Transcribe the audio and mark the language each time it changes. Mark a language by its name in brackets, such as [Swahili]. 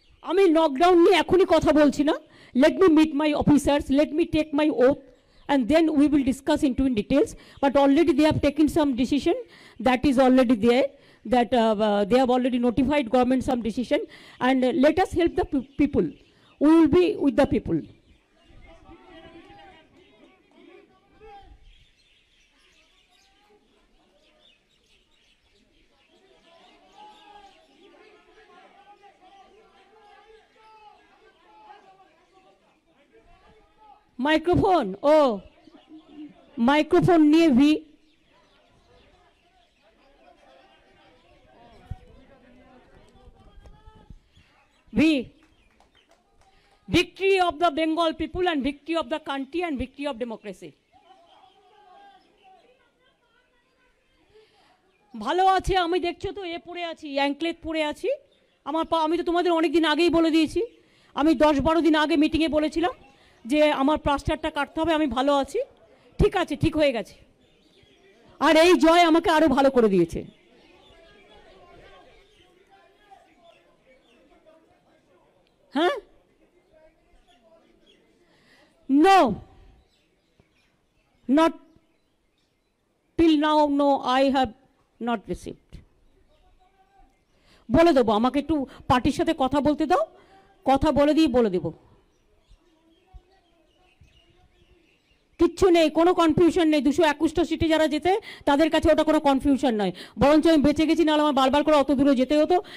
[Bangla] আমি লকডাউন নিয়ে এখনই কথা বলছি না, [English] Let me meet my officers, let me take my oath, and then we will discuss in to in details. But already they have taking some decision, that is already there, that they have already notified government some decision, and let us help the people, we will be with the people. Microphone, oh, microphone near V. Victory of the Bengal people, and victory of the country, and victory of democracy. [Bangla] ভালো আছে, আমি দেখছো তো, এ পড়ে আছি, anklet পড়ে আছি আমার পা। আমি তো তোমাদের অনেক দিন আগেই বলে দিয়েছি, আমি 10-12 দিন আগে মিটিংয়ে বলেছিলাম যে আমার প্লাস্টারটা কাটতে হবে, আমি ভালো আছি, ঠিক আছে, ঠিক হয়ে গেছে, আর এই জয় আমাকে আরও ভালো করে দিয়েছে। [English] No, not till now, no, I have not received. [Bangla] বলে দেবো, আমাকে একটু পার্টির সাথে কথা বলতে দাও, কথা বলে দিয়ে বলে দেব, কিচ্ছু নেই, কোনো কনফিউশন নেই। 221 সিটে যারা যেতে তাদের কাছে ওটা কোনো কনফিউশন নয়, বরঞ্চ আমি বেঁচে গেছি, নাহলে আমার বারবার করে অত দূরে যেতে হতো।